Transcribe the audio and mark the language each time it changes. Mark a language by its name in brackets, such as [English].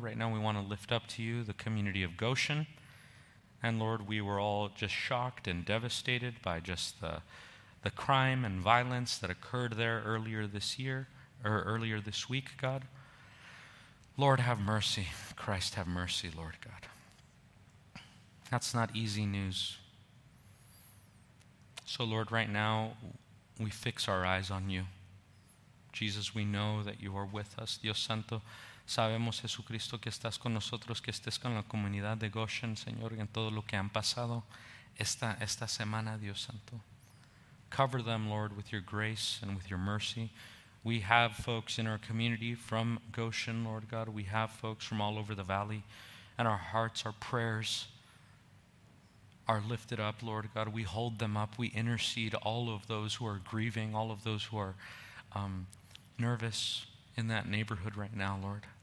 [English] Right now we want to lift up to you the community of Goshen. And Lord, we were all just shocked and devastated by just the crime and violence that occurred there earlier this week, God. Lord, have mercy. Christ, have mercy, Lord God. That's not easy news. So, Lord, right now, we fix our eyes on you. Jesus, we know that you are with us. [Spanish] Dios Santo, sabemos, Jesucristo, que estás con nosotros, que estés con la comunidad de Goshen, Señor, en todo lo que han pasado esta semana, Dios Santo. [English] Cover them, Lord, with your grace and with your mercy. We have folks in our community from Goshen, Lord God. We have folks from all over the valley. And our hearts, our prayers are lifted up, Lord God. We hold them up. We intercede all of those who are grieving, all of those who are nervous in that neighborhood right now, Lord.